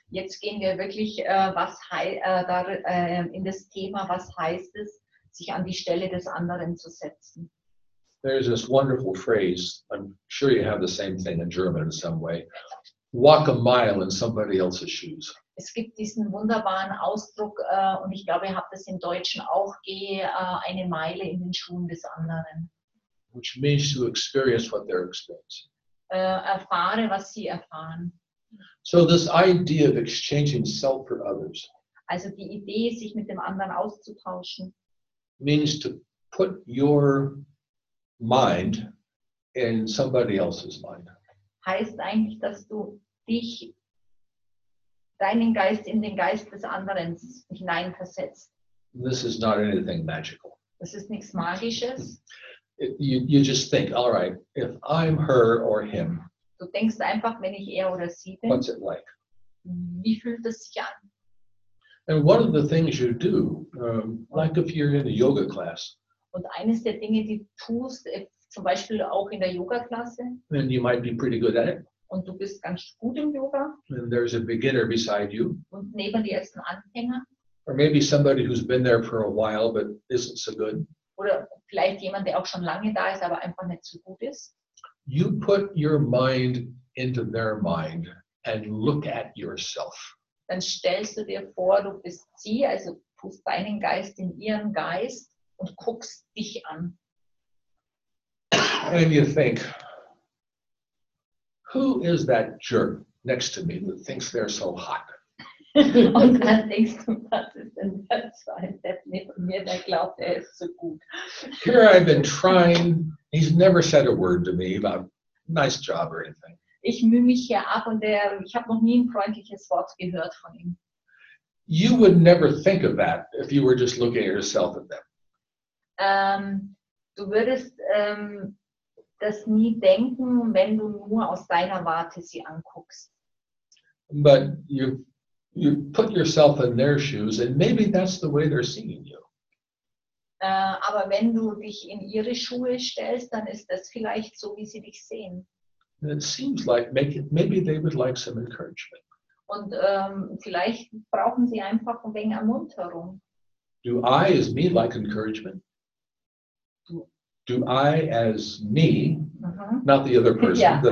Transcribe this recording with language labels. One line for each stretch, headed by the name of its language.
German: Jetzt gehen wir wirklich in das Thema, was heißt es, sich an die Stelle des anderen zu setzen.
English: There's this wonderful phrase, I'm sure you have the same thing in German in some way, walk a mile in somebody else's shoes.
German: Es gibt diesen wunderbaren Ausdruck, und ich glaube, ihr habt das im Deutschen auch, gehe eine Meile in den Schuhen des anderen.
English: Which means to experience what they're experiencing.
German: Erfahre, was sie erfahren.
English: So this idea of exchanging self for others.
German: Also die Idee, sich mit dem anderen auszutauschen.
English: Means to put your mind in somebody else's mind.
German: Heißt eigentlich, dass du dich, deinen Geist in den Geist des anderen hineinversetzt.
English: This is not anything magical.
German: Das ist nichts Magisches.
English: You just think, all right, if I'm her or him,
German: du denkst einfach, wenn ich er oder sie bin,
English: what's it like?
German: Wie fühlt es sich an?
English: And one of the things you do, like if you're in a yoga class,
German: und eines der Dinge, die tust, zum Beispiel auch in der Yoga-Klasse,
English: then you might be pretty good at it,
German: und du bist ganz gut im Yoga,
English: and there's a beginner beside you,
German: und neben dir ist ein Anfänger,
English: or maybe somebody who's been there for a while but isn't so good,
German: oder vielleicht jemand, der auch schon lange da ist, aber einfach nicht so gut ist.
English: You put your mind into their mind and look at yourself.
German: Dann stellst du dir vor, du bist sie, also tust deinen Geist in ihren Geist und guckst dich an.
English: And you think, who is that jerk next to me that thinks they're so hot?
German: Und dann denkst du, was ist denn das für ein Depp neben mir, der glaubt, er ist so gut.
English: Here I've been trying, he's never said a word to me about nice job or anything.
German: Ich mühe mich hier ab und ich habe noch nie ein freundliches Wort gehört von ihm.
English: You would never think of that if you were just looking at yourself at them.
German: Du würdest das nie denken, wenn du nur aus deiner Warte sie anguckst.
English: But you put yourself in their shoes, and maybe that's the way they're seeing you.
German: Aber wenn du dich in ihre Schuhe stellst, dann ist das vielleicht so, wie sie dich sehen.
English: It seems like maybe they would like some encouragement.
German: Und vielleicht brauchen sie einfach ein wenig Ermunterung.
English: Do I as me like encouragement? Do I as me, not the other person that